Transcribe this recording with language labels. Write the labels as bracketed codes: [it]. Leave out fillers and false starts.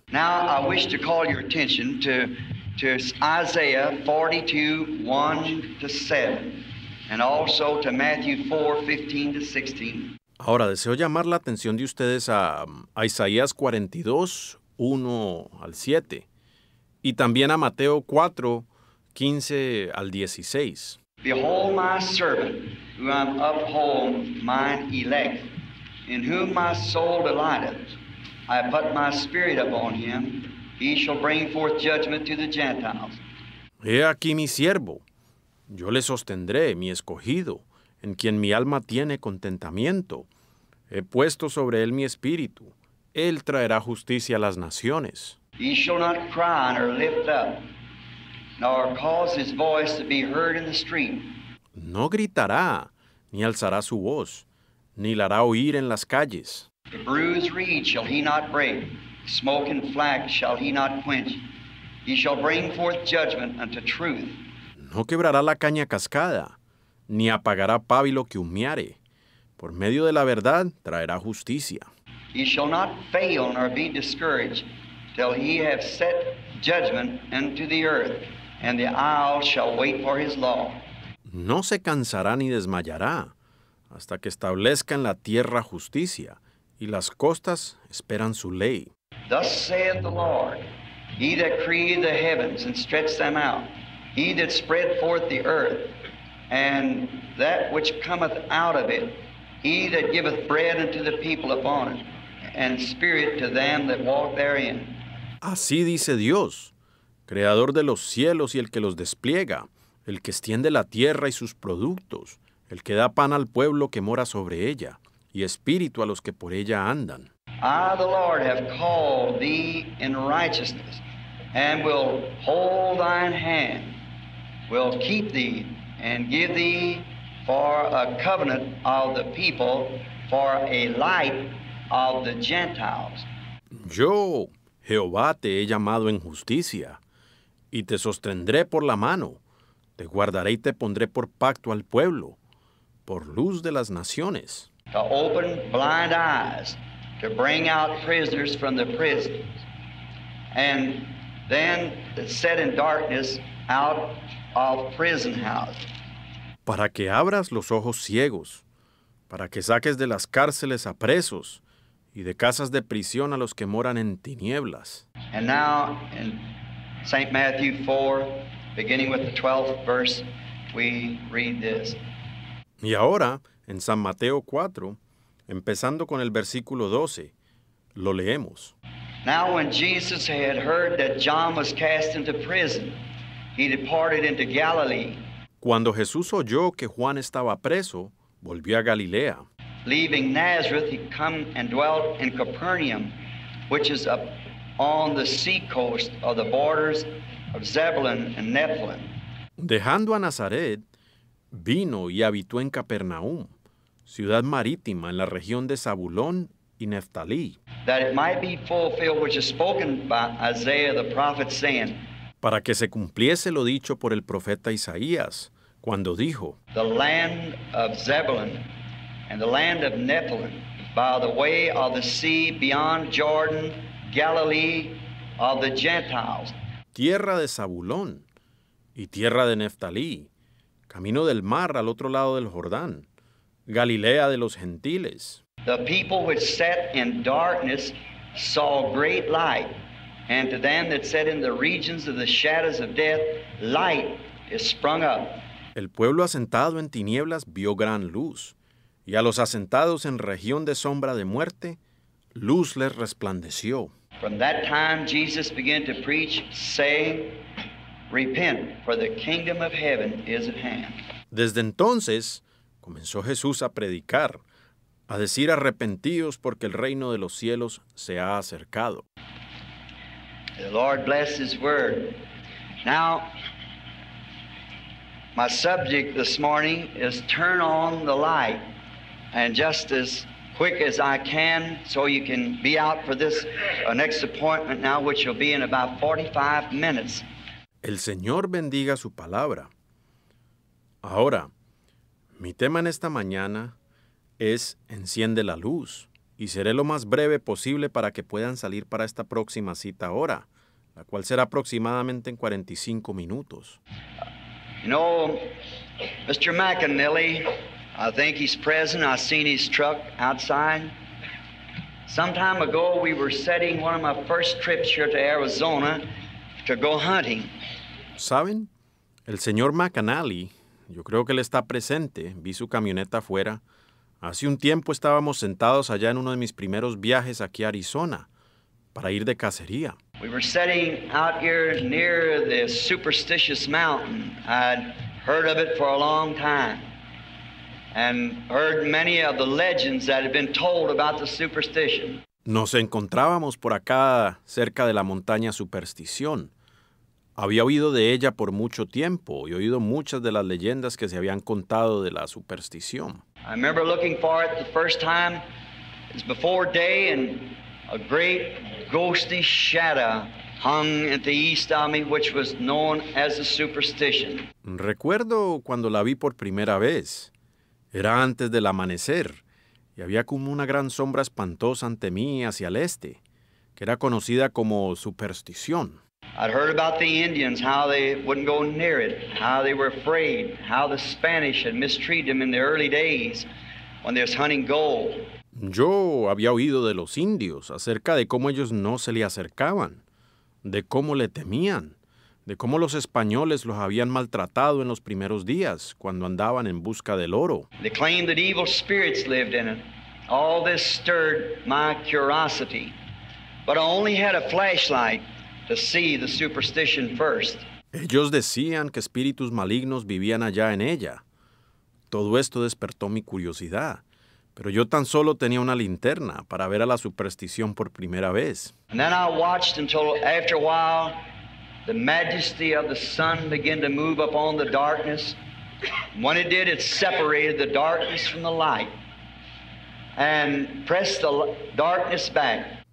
[en] Now I wish to call your attention to Isaiah 42:1-7. And also to Matthew 4:15-16. [es] Ahora deseo llamar la atención de ustedes a Isaías 42:1-7 y también a Mateo 4:15-16. [en] Behold my servant, who I uphold, mine elect, in whom my soul delighteth. I put my spirit upon him. He shall bring forth judgment to the Gentiles. [es] He aquí mi siervo. Yo le sostendré, mi escogido, en quien mi alma tiene contentamiento. He puesto sobre él mi espíritu. Él traerá justicia a las naciones. [en] He shall not cry nor lift up, nor cause his voice to be heard in the street. [es] No gritará, ni alzará su voz, ni la hará oír en las calles. [en] The bruised reed shall he not break, the smoking flax shall he not quench. He shall bring forth judgment unto truth. [es] No quebrará la caña cascada, ni apagará pábilo que humeare. Por medio de la verdad traerá justicia. [en] He shall not fail nor be discouraged till he have set judgment unto the earth, and the isle shall wait for his law. [es] No se cansará ni desmayará hasta que establezca en la tierra justicia, y las costas esperan su ley. [en] Thus saith the Lord, he that created the heavens and stretched them out, he that spread forth the earth, and that which cometh out of it, he that giveth bread unto the people upon it, and spirit to them that walk therein. [es] Así dice Dios, creador de los cielos y el que los despliega, el que extiende la tierra y sus productos, el que da pan al pueblo que mora sobre ella, y espíritu a los que por ella andan. [en] I, the Lord, have called thee in righteousness, and will hold thine hand, will keep thee and give thee for a covenant of the people, for a light of the Gentiles. [es] Yo, Jehová, te he llamado en justicia, y te sostendré por la mano, te guardaré y te pondré por pacto al pueblo, por luz de las naciones. [en] To open blind eyes, to bring out prisoners from the prisons, and then set in darkness out of prison house. [es] Para que abras los ojos ciegos, para que saques de las cárceles a presos y de casas de prisión a los que moran en tinieblas. [en] And now in St. Matthew 4, beginning with the 12th verse, we read this. [es] Y ahora, en San Mateo 4, empezando con el versículo 12, lo leemos. [en] Now when Jesus had heard that John was cast into prison, he departed into Galilee. [es] Cuando Jesús oyó que Juan estaba preso, volvió a Galilea. [en] Leaving Nazareth, he came and dwelt in Capernaum, which is up on the sea coast of the borders of Zebulun and Naphtali. [es] Dejando a Nazaret, vino y habitó en Capernaum, ciudad marítima en la región de Zabulón y Neftalí. [en] That it might be fulfilled which is spoken by Isaiah the prophet, saying, [es] para que se cumpliese lo dicho por el profeta Isaías, cuando dijo, [en] the land of Zebulun and the land of Naphtali, by the way of the sea beyond Jordan, Galilee of the Gentiles. [es] Tierra de Zabulón y tierra de Neftalí, camino del mar al otro lado del Jordán, Galilea de los gentiles. [en] The people which sat in darkness saw great light, and to them that sat in the regions of the shadows of death, light is sprung up. [es] El pueblo asentado en tinieblas vio gran luz, y a los asentados en región de sombra de muerte, luz les resplandeció. [en] From that time Jesus began to preach, saying, repent, for the kingdom of heaven is at hand. [es] Desde entonces, comenzó Jesús a predicar, a decir arrepentíos porque el reino de los cielos se ha acercado. [en] The Lord bless his word. Now, my subject this morning is turn on the light. And just as quick as I can, so you can be out for this next appointment now, which will be in about 45 minutes. [es] El Señor bendiga su palabra. Ahora, mi tema en esta mañana es enciende la luz, y seré lo más breve posible para que puedan salir para esta próxima cita ahora, la cual será aproximadamente en 45 minutos. [en] You know, Mr. McAnally, I think he's present. I seen his truck outside. Some time ago, we were setting one of my first trips here to Arizona to go hunting. [es] ¿Saben? El señor McAnally, yo creo que él está presente. Vi su camioneta afuera. Hace un tiempo estábamos sentados allá en uno de mis primeros viajes aquí a Arizona para ir de cacería. [en] We were sitting out here near the Superstitious Mountain. I'd heard of it for a long time and heard many of the legends that had been told about the superstition. [es] Nos encontrábamos por acá cerca de la montaña Superstición. Había oído de ella por mucho tiempo y oído muchas de las leyendas que se habían contado de la superstición. [en] I remember looking for it the first time. It's before day, and a great ghostly shadow hung at the east of me, which was known as a superstition. [es] Recuerdo cuando la vi por primera vez. Era antes del amanecer, y había como una gran sombra espantosa ante mí hacia el este, que era conocida como superstición. [en] I'd heard about the Indians, how they wouldn't go near it, how they were afraid, how the Spanish had mistreated them in the early days when they was hunting gold. [es] Yo había oído de los indios acerca de cómo ellos no se le acercaban, de cómo le temían, de cómo los españoles los habían maltratado en los primeros días cuando andaban en busca del oro. [en] They claimed that evil spirits lived in it. All this stirred my curiosity. But I only had a flashlight to see the superstition first. [es] Ellos decían que espíritus malignos vivían allá en ella. Todo esto despertó mi curiosidad, pero yo tan solo tenía una linterna para ver a la superstición por primera vez. [en] And then I watched until after a while the majesty of the sun began to move upon the darkness. When it did, it separated the darkness from the light and pressed the darkness back.